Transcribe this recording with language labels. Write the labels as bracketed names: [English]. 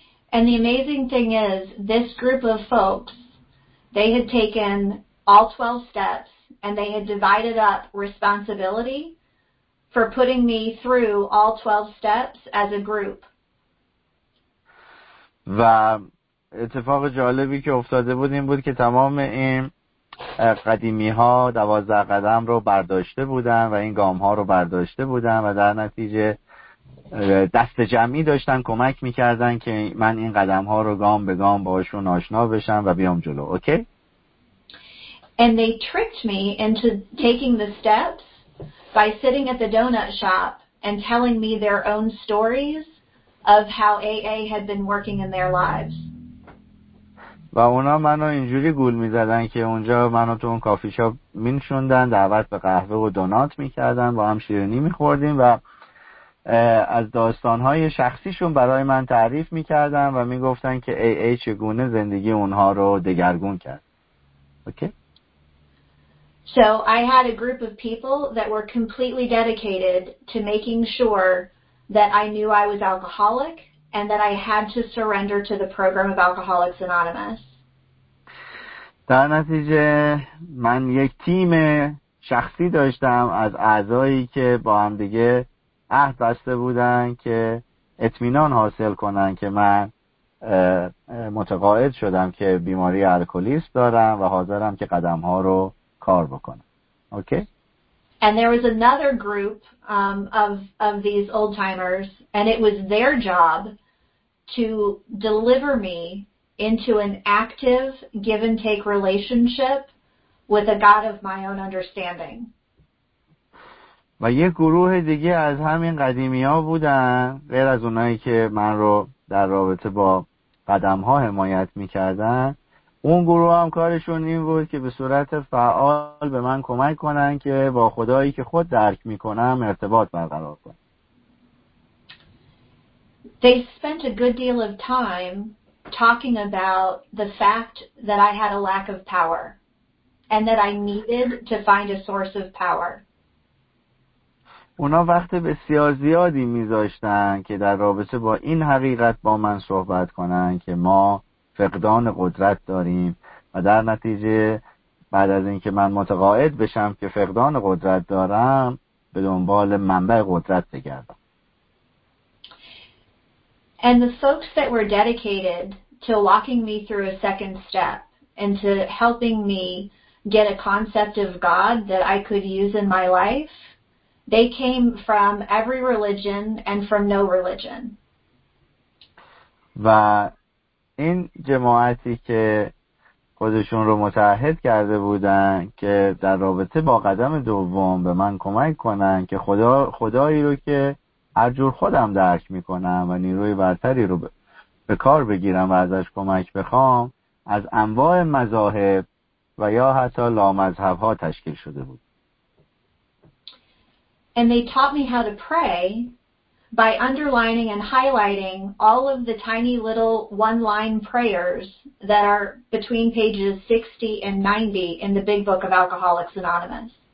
[English] And the amazing thing is, this group of folks, they had taken all 12 steps and they had divided up responsibility for putting me through all 12 steps as a group. [Persian] و اتفاق جالبی که افتاده بود این بود که تمام این قدیمی ها 12 قدم رو برداشته بودن و این گام ها رو برداشته بودن و در نتیجه دست جمعی داشتن کمک میکردن که من این قدم ها رو گام به گام باشون آشنا بشم و بیام جلو. اوکی؟ [English] And they tricked me into taking the steps by sitting at the donut shop and telling me their own stories of how AA had been working in their lives. [Persian] و اونا منو اینجوری گول می‌زدن که اونجا منو تو اون کافی شاپ می‌نشوندن، دعوت به قهوه و دونات می‌کردن، با هم شیرینی می‌خوردیم و از داستان‌های شخصیشون برای من تعریف می‌کردن و می‌گفتن که AA چگونه زندگی اونها رو دگرگون کرد. اوکی؟ [English] So I had a group of people that were completely dedicated to making sure that I knew I was alcoholic and that I had to surrender to the program of Alcoholics Anonymous. [Persian] در نتیجه من یک تیم شخصی داشتم از اعضایی که با هم دیگه عهد بسته بودن که اطمینان حاصل کنن که من متقاعد شدم که بیماری الکلیسم دارم و حاضرم که قدم ها رو کار بکنم. اوکی؟ [English] And there was another group of these old timers, and it was their job to deliver me into an active give and take relationship with a God of my own understanding. [Persian] و یک گروه دیگه از همین قدیمی‌ها بودن، غیر از اونایی که من رو در رابطه با قدم‌ها حمایت می‌کردن. اون گروه هم کارشون این بود که به صورت فعال به من کمک کنن که با خدایی که خود درک میکنم ارتباط برقرار کنم. [English] They spent a good deal of time talking about the fact that I had a lack of power and that I needed to find a source of power. [Persian] اونا وقت بسیار زیادی میذاشتن که در رابطه با این حقیقت با من صحبت کنن که ما فقدان قدرت داریم و در نتیجه بعد از اینکه من متقاعد بشم که فقدان قدرت دارم به دنبال منبع قدرت بگردم. [English] And the folks that were dedicated to walking me through a second step and to helping me get a concept of God that I could use in my life, they came from every religion and from no religion. [Persian] و این جماعتی که خودشون رو متعهد کرده بودن که در رابطه با قدم دوم به من کمک کنن که خدایی رو که هر جور خودم درک میکنم و نیروی برتری رو به کار بگیرم و ازش کمک بخوام، از انواع مذاهب و یا حتی لامذهب ها تشکیل شده بود. [English] And they taught me how to pray by underlining and highlighting all of the tiny little one-line prayers that are between pages 60 and 90 in the Big Book of Alcoholics Anonymous.